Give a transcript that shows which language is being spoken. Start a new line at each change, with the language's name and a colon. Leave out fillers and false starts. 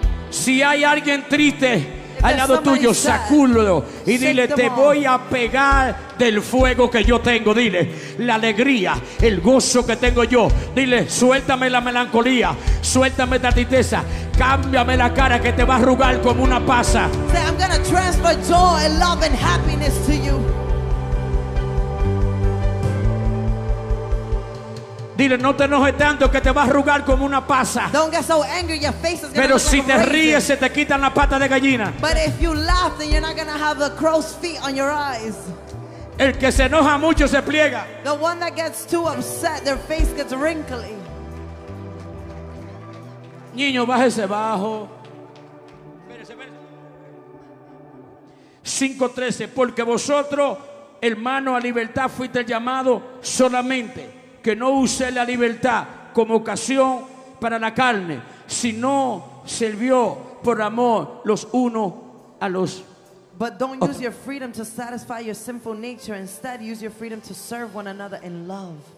Spanish: Si hay alguien triste al lado tuyo, sacúdelo y dile: te voy a pegar del fuego que yo tengo. Dile: la alegría, el gozo que tengo yo. Dile: suéltame la melancolía, suéltame la tristeza, cámbiame la cara que te va a arrugar como una pasa.
English: Say, I'm gonna transfer joy and love and happiness to you.
Spanish: Dile: no te enojes tanto que te vas a arrugar como una pasa.
English: Don't get so angry, your face is gonna
Spanish: pero
English: look
Spanish: si
English: like
Spanish: te ríes se te quitan las patas de gallina.
English: But if you laugh, then you're not gonna have the crow's feet on your eyes.
Spanish: El que se enoja mucho se pliega.
English: The one that gets too upset, their face gets wrinkly.
Spanish: Niño, bájese bajo. 5:13. Porque vosotros, hermano, a libertad fuiste llamado solamente. Que no use la libertad como ocasión para la carne, sino sirvió por amor los unos a los otros.
English: But don't use your freedom to satisfy your sinful nature. Instead, use your freedom to serve one another in love.